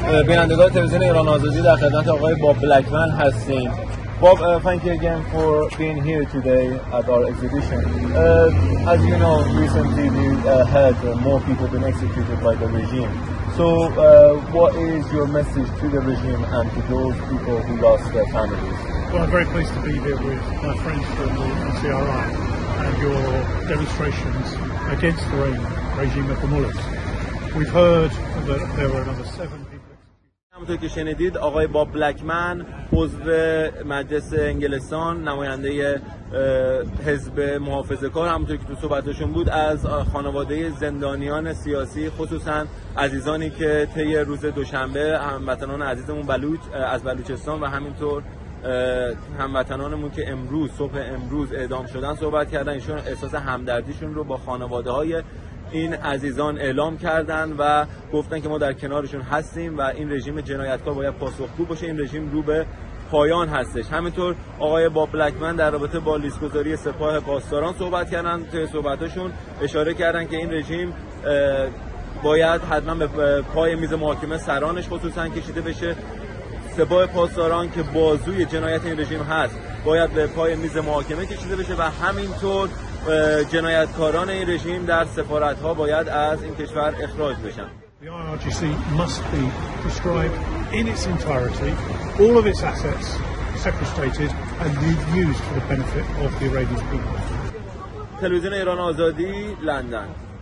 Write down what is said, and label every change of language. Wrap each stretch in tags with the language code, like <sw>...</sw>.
<fa>بینندگان تلویزیون ایران آزادی در خدمت آقای باب بلکمن هستیم.</fa> <en>Bob, thank you again for being here today at our exhibition. As you know, recently we heard more people been executed by the regime. So, what is your message to the regime and to those people who lost their families? Well, I'm very pleased to be here with my friends from the NCRI and your demonstrations against the regime of the mullahs. We've heard that there were another seven.</en> <fa>همونطور که شنیدید آقای باب بلکمن عضو مجلس انگلستان، نماینده حزب محافظه‌کار، همونطور که تو صحبتشون بود از خانواده زندانیان سیاسی، خصوصا عزیزانی که طی روز دوشنبه هموطنان عزیزمون بلوچ از بلوچستان و همینطور هموطنانمون که امروز صبح امروز اعدام شدن صحبت کردن. ایشون احساس همدردیشون رو با خانواده های این عزیزان اعلام کردن و گفتن که ما در کنارشون هستیم و این رژیم جنایتکار باید پاسخگو باشه، این رژیم رو به پایان هستش. همینطور آقای باب بلکمن در رابطه با لیست‌گذاری سپاه پاسداران صحبت کردن، توی صحبتشون اشاره کردن که این رژیم باید حتما به پای میز محاکمه سرانش خصوصا کشیده بشه. سپاه پاسداران که بازوی جنایت این رژیم هست باید به پای میز محاکمه کشیده بشه و همینطور جنایتکاران این رژیم در سفارت ها باید از این کشور اخراج بشن.</fa> <en>The IRGC must be destroyed in its entirety, all of its assets sequestrated and used for the benefit of the Iranian people.</en> <fa>تلویزیون ایران آزادی، لندن.</fa>